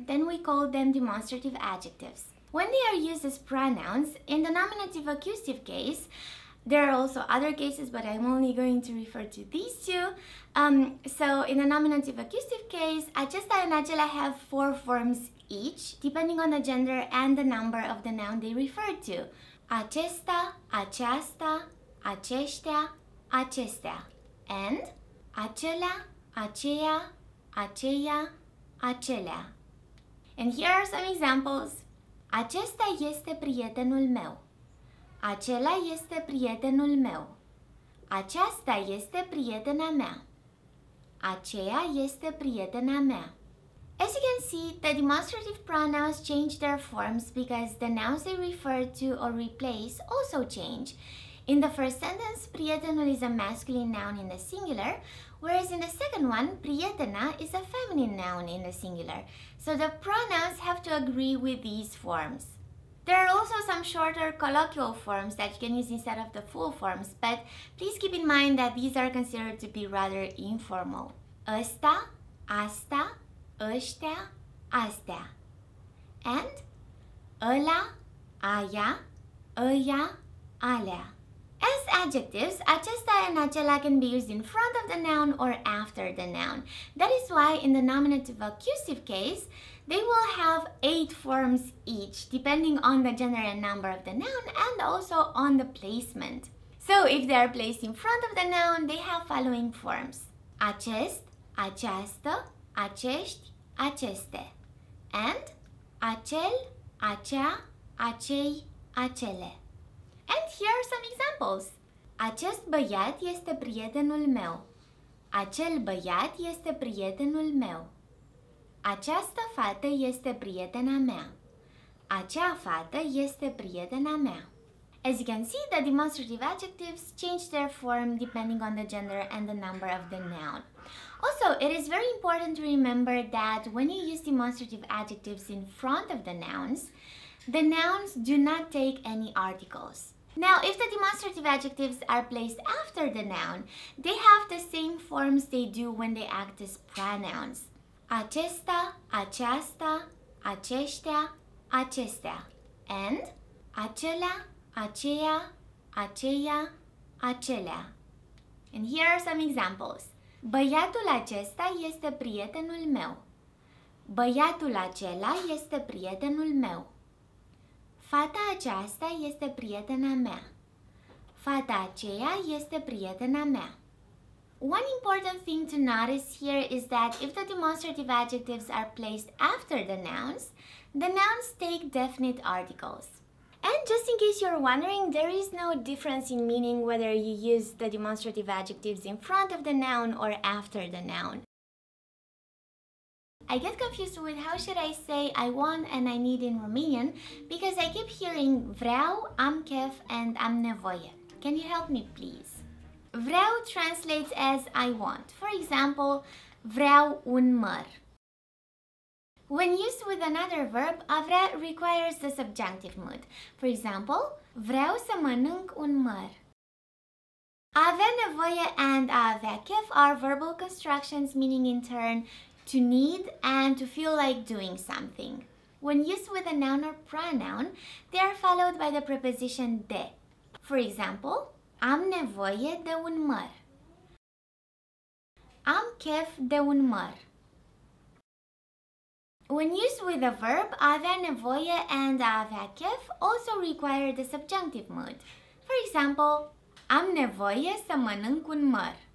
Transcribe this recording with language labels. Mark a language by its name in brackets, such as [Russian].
[English] Then we call them demonstrative adjectives. When they are used as pronouns, in the nominative accusative case, there are also other cases, but I'm only going to refer to these two. So in the nominative accusative case, acesta and acela have four forms each, depending on the gender and the number of the noun they refer to. [Romanian] Acesta, aceasta, aceștia, acestea. And acela, aceea, aceia, acelea. [English] And here are some examples. [Romanian] Acesta este prietenul meu. Acela este prietenul meu. Aceasta este prietena mea. Aceea este prietena mea. [English] As you can see, the demonstrative pronouns change their forms because the nouns they refer to or replace also change. In the first sentence, prietenul is a masculine noun in the singular, whereas in the second one, prietena is a feminine noun in the singular. So the pronouns have to agree with these forms. There are also some shorter colloquial forms that you can use instead of the full forms, but please keep in mind that these are considered to be rather informal. [Romanian] Ăsta, asta, ăștia, astea. And ăla, aia, ăia, alea. [English] As adjectives, acesta and acela can be used in front of the noun or after the noun. That is why in the nominative accusative case, they will have eight forms each, depending on the gender and number of the noun and also on the placement. So if they are placed in front of the noun, they have following forms. [Romanian] Acest, aceasta, acești, aceste. And acel, acea, acei, acele. [English] And here are some examples. [Romanian] Acest băiat este prietenul meu. Acel băiat este prietenul meu. Această fată este prietena mea. Acea fată este prietena mea. [English] As you can see, the demonstrative adjectives change their form depending on the gender and the number of the noun. Also, it is very important to remember that when you use demonstrative adjectives in front of the nouns do not take any articles. Now, if the demonstrative adjectives are placed after the noun, they have the same forms they do when they act as pronouns. [Romanian] Acesta, aceasta, aceștia, acestea. And acela, aceea, aceia, acelea. [English] And here are some examples. [Romanian] Băiatul acesta este prietenul meu. Băiatul acela este prietenul meu. Fata aceasta este prietena mea. Fata aceea este prietena mea. [English] One important thing to notice here is that if the demonstrative adjectives are placed after the nouns take definite articles. And just in case you're wondering, there is no difference in meaning whether you use the demonstrative adjectives in front of the noun or after the noun. I get confused with how should I say I want and I need in Romanian because I keep hearing vreau, am chef, and am nevoie. Can you help me, please? Vreau translates as I want. For example, [Romanian] vreau un măr. [English] When used with another verb, a vrea requires the subjunctive mood. For example, [Romanian] vreau să mănânc un măr. [English] A avea nevoie and a avea chef are verbal constructions meaning in turn to need and to feel like doing something. When used with a noun or pronoun, they are followed by the preposition de. For example, [Romanian] am nevoie de un măr. Am chef de un măr. [English] When used with a verb, a avea nevoie and a avea chef also require the subjunctive mood. For example, [Romanian] am nevoie să mănânc un măr.